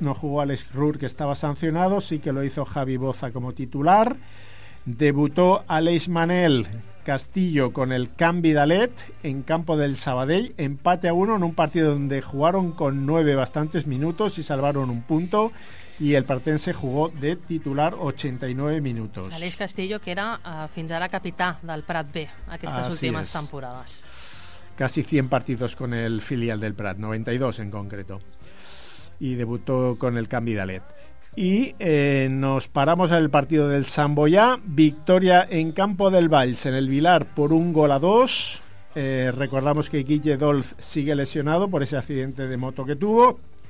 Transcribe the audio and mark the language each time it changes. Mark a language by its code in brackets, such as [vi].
[es] No jugó Alex Rur, que estaba sancionado. Sí que lo hizo Javi Boza como titular. Debutó Aleix Manel Castillo con el Canvidalet en campo del Sabadell. Empate a 1 en un partido donde jugaron con 9 bastantes minutos y salvaron un punto. Y el partense jugó de titular 89 minutos. [ca] Aleix Castillo, que era fins ara capità del Prat B aquestes últimes temporades. [es] Casi 100 partidos con el filial del Prat, 92 en concreto. Y debutó con el Canvidalet. Y nos paramos en el partido del Santboià. Victoria en campo del Valls, en el Vilar, por 1-2. Recordamos que Guille Dolz sigue lesionado por ese accidente de moto que tuvo.